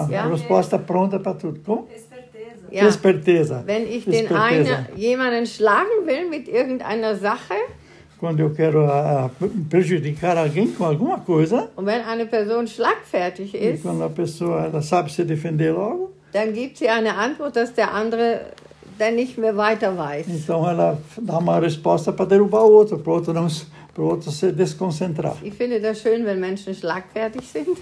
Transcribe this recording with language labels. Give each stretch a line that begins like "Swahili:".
Portuguese: Resposta pronta para tudo. Esperteza.
German: Wenn ich jemanden schlagen will mit irgendeiner Sache.
Portuguese: Quando eu quero prejudicar alguém com alguma coisa.
German: Und wenn eine Person schlagfertig ist.
Portuguese: E quando a pessoa ela sabe se defender logo.
German: Dann gibt sie eine Antwort, dass der andere dann nicht mehr weiter weiß.
Portuguese: Então ela dá uma resposta para derrubar o outro, para o outro não para outro se desconcentrar.
German: Ich finde das schön, wenn Menschen schlagfertig sind.